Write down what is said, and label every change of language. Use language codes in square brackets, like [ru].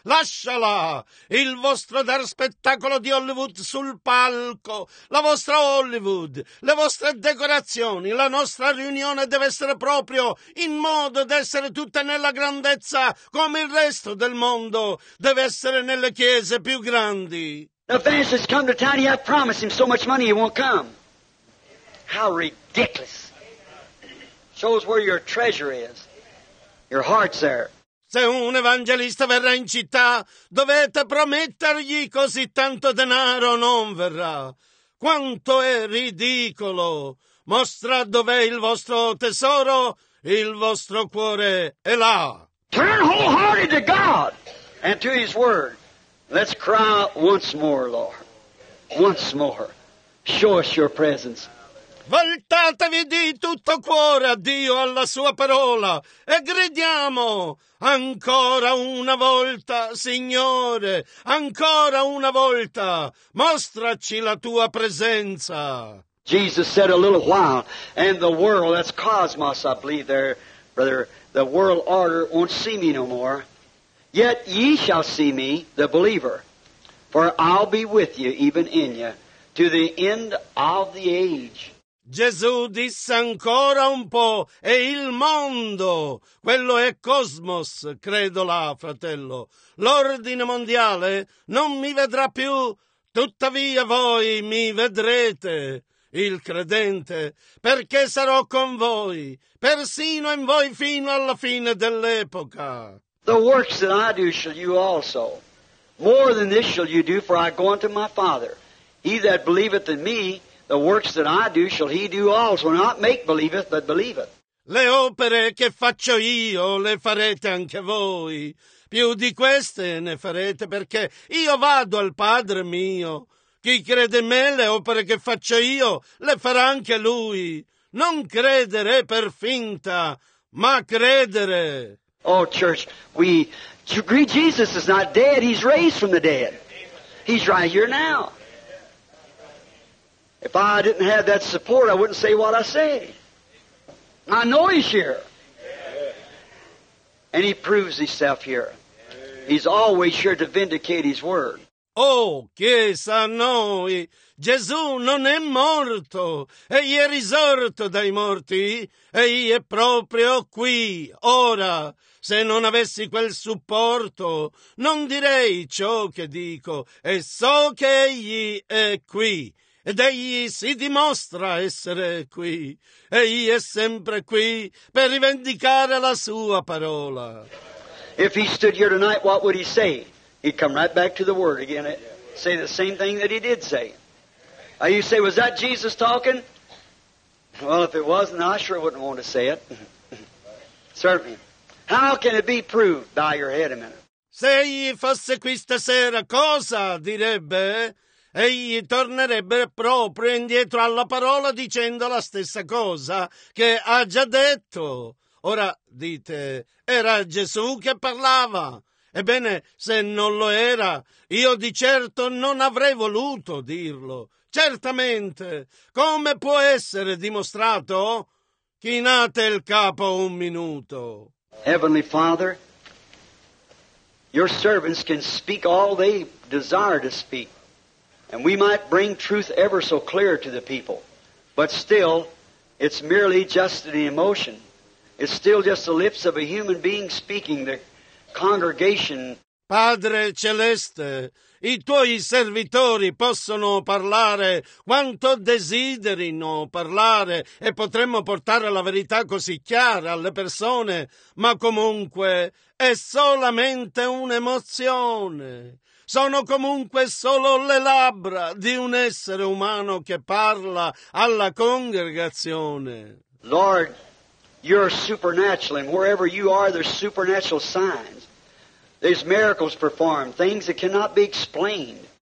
[it] Lasciala! Il vostro dar spettacolo di Hollywood sul palco, la vostra Hollywood, le vostre decorazioni, la nostra riunione deve essere proprio in modo di essere tutte nella grandezza come il resto del mondo deve essere nelle chiese più grandi. [en] The evangelist come to town, I promised him so much money he won't come. How ridiculous. Shows where your treasure is. Your heart's there. [it] Se un evangelista verrà in città, dovete promettergli così tanto denaro non verrà. Quanto è ridicolo! Mostra dov'è il vostro tesoro, il vostro cuore è là. [en] Turn wholehearted to God and to His Word. Let's cry once more, Lord. Once more. Show us your presence. [it] Voltatevi di tutto cuore a Dio, alla Sua parola, e gridiamo ancora una volta, Signore, ancora una volta, mostraci la Tua presenza. [en] Jesus said a little while, and the world, that's cosmos, I believe there, brother, the world order won't see me no more. Yet ye shall see me, the believer, for I'll be with you, even in you, to the end of the age. [it] Gesù disse ancora un po', e il mondo, quello è cosmos, credo là, fratello. L'ordine mondiale non mi vedrà più, tuttavia voi mi vedrete, il credente, perché sarò con voi, persino in voi fino alla fine dell'epoca. [en] The works that I do shall you also. More than this shall you do, for I go unto my Father. He that believeth in me, the works that I do shall he do also, not make believeth, but believeth. [it] Le opere che faccio io le farete anche voi. Più di queste ne farete, perché io vado al Padre mio. Chi crede in me, le opere che faccio io le farà anche lui. Non credere per finta, ma credere. [en] Oh, church, we agree Jesus is not dead, he's raised from the dead. He's right here now. If I didn't have that support, I wouldn't say what I say. I know He's here. And He proves Himself here. He's always here to vindicate His word. [it] Oh, Chiesa, noi, Gesù non è morto. Egli è risorto dai morti. Egli è proprio qui, ora. Se non avessi quel supporto, non direi ciò che dico. E so che Egli è qui. Ed egli si dimostra essere qui. Egli è sempre qui per rivendicare la sua parola. [en] If he stood here tonight, what would he say? He'd come right back to the word again. Say the same thing that he did say. You say, was that Jesus talking? Well, if it wasn't, I sure wouldn't want to say it. Certainly. How can it be proved? Bow your head a minute. [it] Se egli fosse qui stasera, cosa direbbe? Egli tornerebbe proprio indietro alla parola dicendo la stessa cosa che ha già detto. Ora dite, era Gesù che parlava. Ebbene, se non lo era, io di certo non avrei voluto dirlo. Certamente, come può essere dimostrato? Chinate il capo un minuto. [en] Heavenly Father, your servants can speak all they desire to speak, and we might bring truth ever so clear to the people, but still, it's merely just an emotion. It's still just the lips of a human being speaking, the congregation. [it] Padre Celeste, i tuoi servitori possono parlare quanto desiderino parlare e potremmo portare la verità così chiara alle persone, ma comunque è solamente un'emozione. Sono comunque solo le labbra di un essere umano che parla alla congregazione. [en] Lord, you're supernatural, and wherever you are, there's supernatural signs. There's miracles performed, things that cannot be explained.